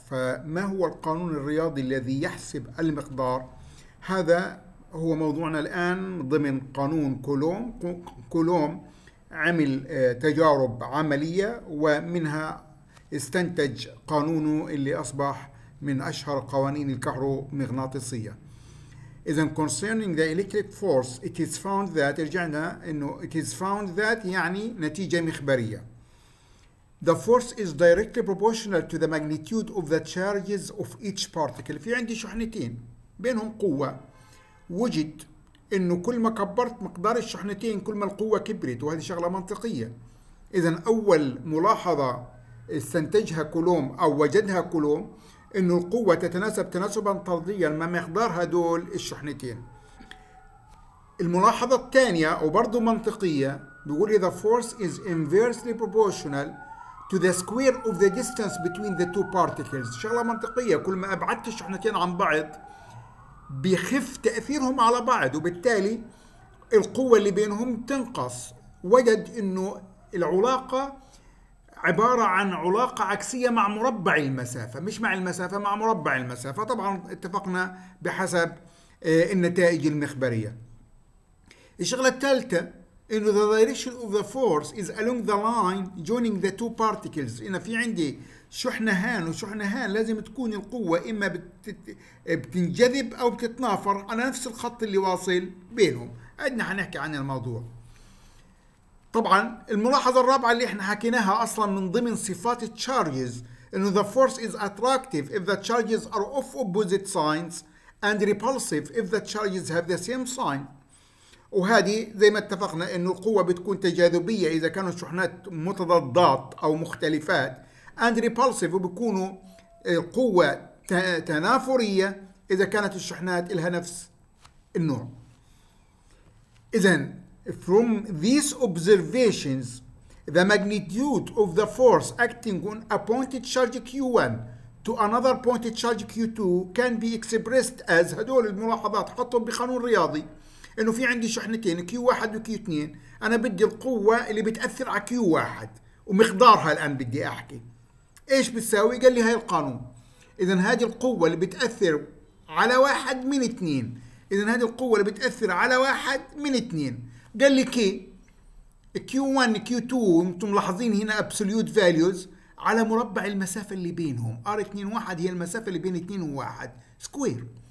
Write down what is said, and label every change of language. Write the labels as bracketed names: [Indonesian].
[Arabic] فما هو القانون الرياضي الذي يحسب المقدار؟ هذا هو موضوعنا الآن ضمن قانون كولوم. كولوم عمل تجارب عملية ومنها استنتج قانونه اللي أصبح من أشهر قوانين الكهرومغناطيسية. إذن [English] concerning the electric force it is found that، [Arabic] رجعنا إنه [English] it is found that [Arabic] يعني نتيجة مخبرية. [English] The force is directly proportional to the magnitude of the charges of each particle. [Arabic] في عندي شحنتين بينهم قوة. وجد إنه كل ما كبرت مقدار الشحنتين كل ما القوة كبرت، وهذه شغلة منطقية. إذن أول ملاحظة استنتجها كولوم أو وجدها كولوم إنه القوة تتناسب تناسبا طرديا مع مقدار هدول الشحنتين. الملاحظة الثانية وبرضو منطقية بيقول إذا [English] force is inversely proportional to the square of the distance between the two particles. [Arabic] شغلة منطقية، كل ما أبعدت الشحنتين عن بعض بيخف تأثيرهم على بعض وبالتالي القوة اللي بينهم تنقص. وجد إنه العلاقة عبارة عن علاقة عكسية مع مربع المسافة، مش مع المسافة، مع مربع المسافة. طبعا اتفقنا بحسب النتائج المخبرية. الشغلة الثالثة إنه [English] the direction of the force is along the line joining the two particles. [Arabic] إن في عندي شحنهان وشحنهان لازم تكون القوة إما بتنجذب أو بتتنافر على نفس الخط اللي واصل بينهم. عدنا حنحكي عن الموضوع. طبعا الملاحظة الرابعة اللي احنا حكيناها أصلا من ضمن صفات [English] charges [Arabic] إنه [English] the force is attractive if the charges are of opposite signs and repulsive if the charges have the same sign. [Arabic] وهذه زي ما اتفقنا إنه القوة بتكون تجاذبية إذا كانوا الشحنات متضادات أو مختلفات، [English] and repulsive [Arabic] وبيكونوا القوة تنافرية إذا كانت الشحنات لها نفس النوع. إذن [English] from these observations the magnitude of the force acting on a pointed charge Q1 to another pointed charge Q2 can be expressed as، [Arabic] هدول الملاحظات حطهم بقانون رياضي إنه في عندي شحنتين Q1 و Q2، أنا بدي القوة اللي بتأثر على Q1 ومقدارها الآن بدي أحكي إيش بتساوي. قال لي هاي القانون، إذن هذه القوة اللي بتأثر على واحد من اثنين، إذن هذه القوة اللي بتأثر على واحد من اثنين. قال لي كي Q1 Q2 انتم ملاحظين هنا [English] absolute values [Arabic] على مربع المسافة اللي بينهم R2 1 هي المسافة اللي بين 2 و1 سكوير.